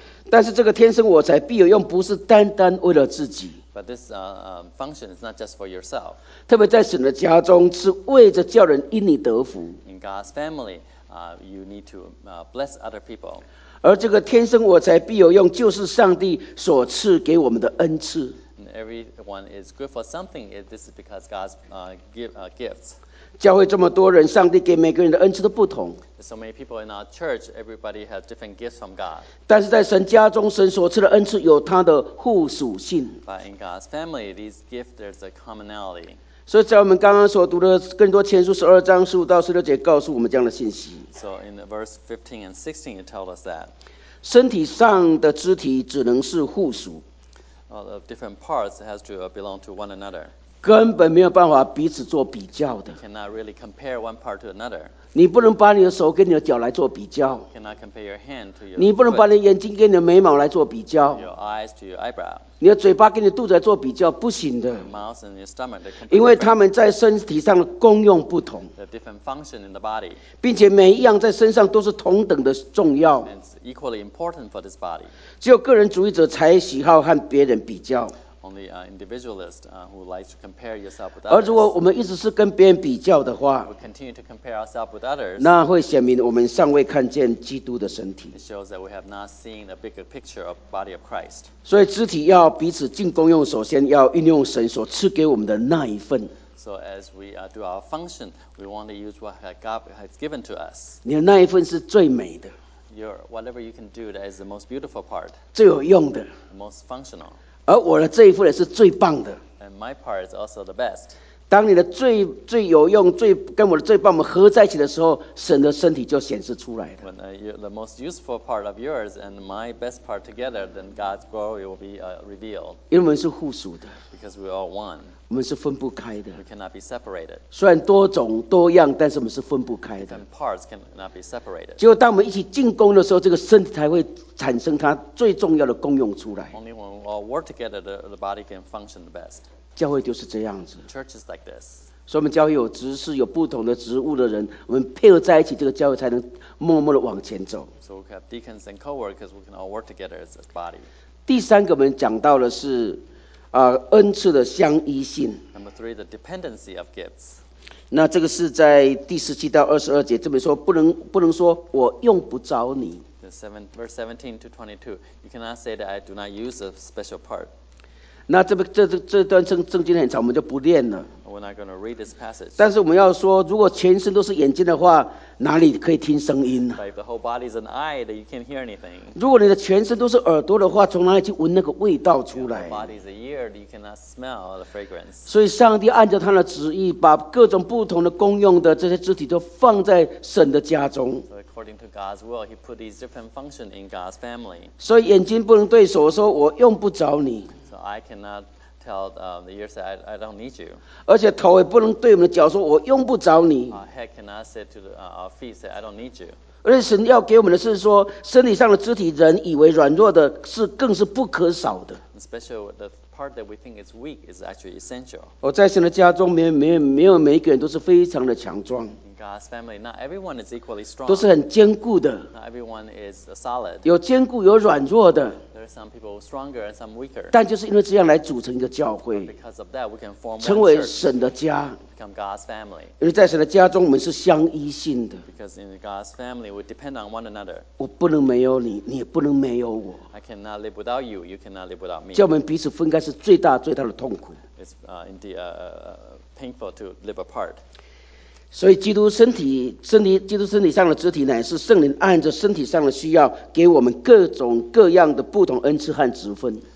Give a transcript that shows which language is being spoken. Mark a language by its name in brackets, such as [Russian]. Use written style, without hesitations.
[Chinese] 但是这个天生我才必有用不是单单为了自己。 [English] But this function is not just for yourself. [Chinese] 特别在神的家中是为着叫人因你得福。 [English] In God's family, you need to bless other people. [Chinese] 而这个天生我才必有用就是上帝所赐给我们的恩赐。 [English] Everyone is good for something. This is because God's gifts. [Chinese] 教会这么多人上帝给每个人的恩赐都不同。 [English] So many people in our church, everybody has different gifts from God. [Chinese] 但是在神家中神所赐的恩赐有它的互属性。 [English] But in God's family, these gifts, there's a commonality. [Chinese] 所以在我们刚刚所读的更多前书十二章十五到十六节告诉我们这样的信息。 [English] So in verse 15 and 16, it tells us that [Chinese] 身体上的肢体只能是互属。 [English] All of different parts has to belong to one another. [Chinese] 根本没有办法彼此做比较的。 [English] You cannot really compare one part to another. [Chinese] 你不能把你的手跟你的脚来做比较。 [English] You cannot compare your hand to your foot. [Chinese] 你不能把你的眼睛跟你的眉毛来做比较。 [English] Your eyes to your eyebrow. [Chinese] 你的嘴巴跟你肚子来做比较不行的 [English] mouth and your stomach, [Chinese] 因为他们在身体上的功用不同 [English] the different function in the body, [Chinese] 并且每一样在身上都是同等的重要 [English] and it's equally important for this body. [Chinese] 只有个人主义者才喜好和别人比较 [English] Only, individualist, who likes to compare yourself with others. [Chinese] 而如果我们一直是跟别人比较的话 [English] we continue to compare ourselves with others, [Chinese] 那会显明我们尚未看见基督的身体 [English] it shows that we have not seen a bigger picture of the body of Christ. [Chinese] 所以肢体要彼此进攻用首先要运用神所赐给我们的那一份 [English] So as we do our function We want to use what God has given to us [Chinese] 你的那一份是最美的 [English] Your, Whatever you can do that is the most beautiful part [Chinese] 最有用的 [English] the Most functional [Chinese] 而我的这一份也是最棒的 [English] And my part is also the best [Chinese] 当你的最有用最跟我的最棒我们合在一起的时候神的身体就显示出来了 [English] When the most useful part of yours and my best part together then God's glory will be revealed [Chinese] 因为我们是互属的 [English] Because we're all one [Chinese] 我们是分不开的 [English] We cannot be separated [Chinese] 虽然多种多样但是我们是分不开的 [English] And parts cannot be separated [Chinese] 结果当我们一起进攻的时候这个身体才会产生它最重要的功用出来 [English] Only when we all work together the body can function the best [Chinese] 教会就是这样子 [English] Church is like this. [Chinese] 所以我们教会有执事有不同的职务的人我们配合在一起这个教会才能默默地往前走 [English] So we have deacons and co-workers we can all work together as a body [Chinese] 第三个我们讲到的是、恩赐的相依性 [English] Number three, the dependency of gifts [Chinese] 那这个是在第十七到二十二节这么说不能说我用不着你 [English] Verse 17 to 22 You cannot say that I do not use a special part [Chinese] 那 这段圣经很长我们就不念了 [English] We're not going to read this passage. [Chinese] 但是我们要说如果全身都是眼睛的话哪里可以听声音 [English] But if the whole body is an eye, then you can't hear anything. [Chinese] 如果你的全身都是耳朵的话从哪里去闻那个味道出来 [English] If the whole body is a ear, you cannot smell the fragrance. [Chinese] 所以上帝按照他的旨意把各种不同的功用的这些肢体都放在神的家中 [English] So according to God's will, he put these different functions in God's family. [Chinese] 所以眼睛不能对手说我用不着你 [English] I cannot tell the ears that I don't need you. [Chinese] 而且头也不能对我们的脚说我用不着你。 [English] Head cannot say to our feet that I don't need you. [Chinese] 而且神要给我们的是说身体上的肢体人以为软弱的是更是不可少的。 [English] Especially the part that we think is weak is actually essential. [Chinese] 我在神的家中没有每一个人都是非常的强壮。 [English] God's family, not everyone is equally strong. [Chinese] 都是很坚固的。 [English] Not everyone is solid. [Chinese] 有坚固有软弱的。 [English] There are some people stronger and some weaker. [Chinese] 但就是因为这样来组成一个教会。 [English] But because of that, we can form one church. [Chinese] 成为神的家。 [English] Become God's family. [Chinese] 因为在神的家中，我们是相依性的。 [English] Because in God's family, we depend on one another. [Chinese] 我不能没有你，你也不能没有我。 [English] I cannot live without you. You cannot live without me. [Chinese] 叫我们彼此分开是最大最大的痛苦。 [English] It's indeed painful to live apart. [Chinese] 所以基督身体上的肢体乃是圣灵按着身体上的需要给我们各种各样的不同恩赐和职分